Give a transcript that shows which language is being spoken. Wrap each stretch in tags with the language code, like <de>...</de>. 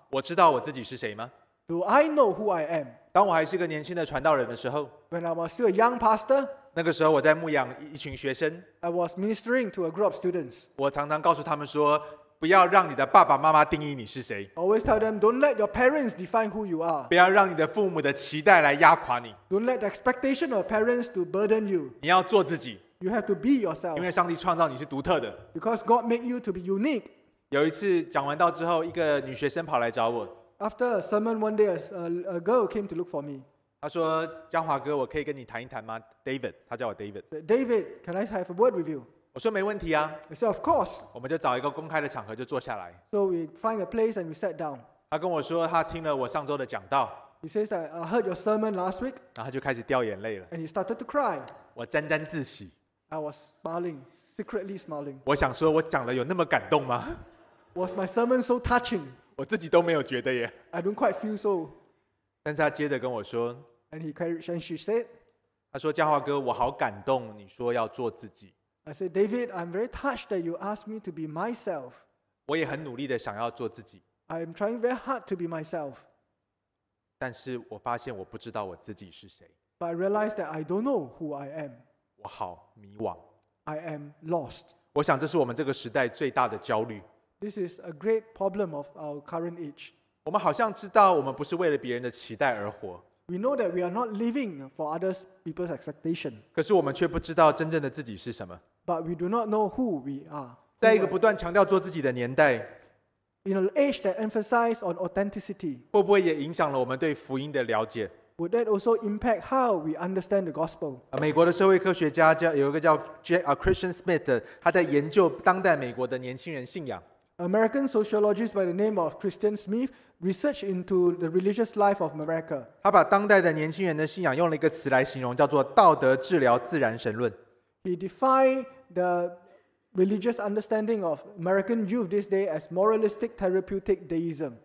<zh>我知道我自己是谁吗？</zh> <en>Do I know who I am?</en> <zh>当我还是个年轻的传道人的时候，</zh> <en>When I was still a young pastor,</en> <zh>那个时候我在牧养一群学生，</zh> <en>I was ministering to a group of students.</en> <zh>我常常告诉他们说，不要让你的爸爸妈妈定义你是谁。</zh> <en>Always tell them, don't let your parents define who you are.</en> <zh>不要让你的父母的期待来压垮你。</zh> <en>Don't let the expectation of parents to burden you.</en> <zh>你要做自己。</zh> <en>You have to be yourself.</en> <zh>因为上帝创造你是独特的。</zh> <en>Because God made you to be unique.</en> <zh>有一次讲完道之后，一个女学生跑来找我。</zh> <en>After a sermon one day, a girl came to look for me.</en> <zh>她说，江华哥，我可以跟你谈一谈吗？ David, 她叫我 David.</zh> <en>David, can I have a word with you?</en> <zh>我说没问题啊。</zh> <en>I said, of course.</en> <zh>我们就找一个公开的场合就坐下来。</zh> <en>So we find a place and we sat down.</en> <zh>他跟我说他听了我上周的讲道。</zh> <en>He says that I heard your sermon last week.</en> <zh>然后就开始掉眼泪了。</zh> <en>And he started to cry.</en> <zh>我沾沾自喜。</zh> <en>I was smiling, secretly smiling.</en> <zh>我想说我讲的有那么感动吗？</zh> <en>Was my sermon so touching?</en> <zh>我自己都没有觉得耶。</zh> <en>I don't quite feel so.</en> <zh>但是他接着跟我说。</zh> <en>And he carried, and she said.</en> <zh>他说，江华哥，我好感动，你说要做自己。</zh> <en>I said, David, I'm very touched that you asked me to be myself.</en> <zh>我也很努力的想要做自己。</zh> <en>I'm trying very hard to be myself.</en> <zh>但是我发现我不知道我自己是谁。</zh> <en>But I realized that I don't know who I am.</en> <zh>我好迷惘。</zh> <en>I am lost.</en> <zh>我想这是我们这个时代最大的焦虑。</zh> <en>This is a great problem of our current age.</en> <zh>我们好像知道我们不是为了别人的期待而活。</zh> <en>We know that we are not living for other people's expectation.</en> <zh>可是我们却不知道真正的自己是什么。</zh> <en>But we do not know who we are.</en> <zh>在一个不断强调做自己的年代，</zh> <en>In an age that emphasizes on authenticity,</en> <zh>会不会也影响了我们对福音的了解？</zh> <en>Would that also impact how we understand the gospel?</en> <zh>美国的社会科学家有一个叫 Christian Smith， 他在研究当代美国的年轻人信仰。</zh> <en>American sociologist by the name of Christian Smith researched into the religious life of America.</en> <zh>他把当代的年轻人的信仰用了一个词来形容，叫做道德治疗自然神论。</zh> <en>He defined the religious understanding of American youth this day as moralistic therapeutic deism.</en>